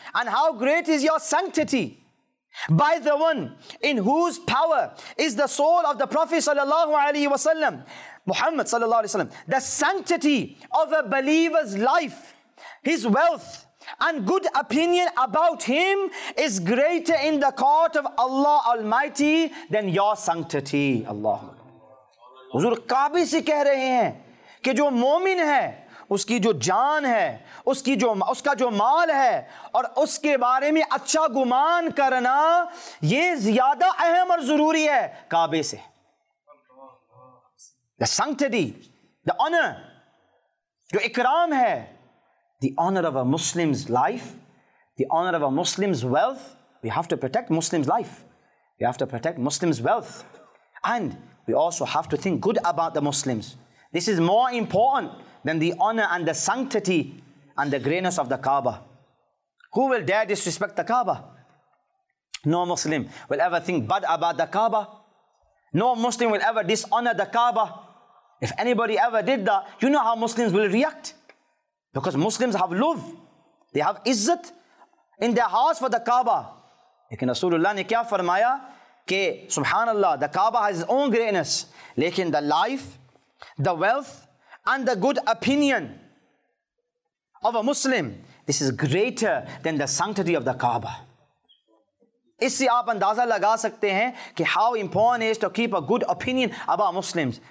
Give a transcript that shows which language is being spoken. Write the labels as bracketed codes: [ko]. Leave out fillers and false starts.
[en] And how great is your sanctity? By the one in whose power is the soul of the Prophet sallallahu alaihi wasallam. Muhammad sallallahu alaihi wasallam, the sanctity of a believer's life, his wealth and good opinion about him is greater in the court of Allah Almighty than your sanctity. Allah. [ur] حضور کعبے سے کہہ رہے ہیں کہ جو مومن ہے اس کی جو جان ہے اس کی جو اس کا جو مال ہے اور اس کے بارے میں اچھا گمان کرنا یہ زیادہ اہم اور ضروری ہے کعبے سے۔ [en] The sanctity, the honor, your ikram hai, the honor of a Muslim's life, the honor of a Muslim's wealth. We have to protect Muslim's life. We have to protect Muslim's wealth. And we also have to think good about the Muslims. This is more important than the honor and the sanctity and the greatness of the Kaaba. Who will dare disrespect the Kaaba? No Muslim will ever think bad about the Kaaba. No Muslim will ever dishonor the Kaaba. If anybody ever did that, you know how Muslims will react. Because Muslims have love. They have izzat in their hearts for the Kaaba. [ur] لیکن رسول اللہ نے کیا فرمایا؟ [en] Ke subhanallah, the Kaaba has its own greatness. Lekin the life, the wealth, and the good opinion of a Muslim, this is greater than the sanctity of the Kaaba. [ur] اس سے آپ اندازہ لگا سکتے ہیں کہ [en] how important it is to keep a good opinion about Muslims.